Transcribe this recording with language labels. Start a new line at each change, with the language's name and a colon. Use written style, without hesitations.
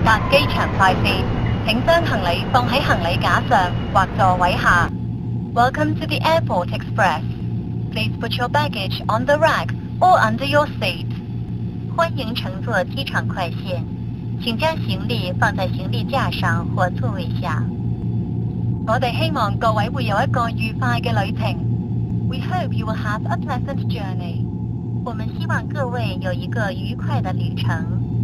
Chinese: 机场快线，请将行李放在行李架上或座位下。
English: Welcome to the Airport Express. Please put your baggage on the rack or under your seat.
Chinese: 欢迎乘坐机场快线，请将行李放在行李架上或座位下。我们希望各位会有一个愉快的旅程。
English: We hope you will have a pleasant journey.
Chinese: 我们希望各位有一个愉快的旅程。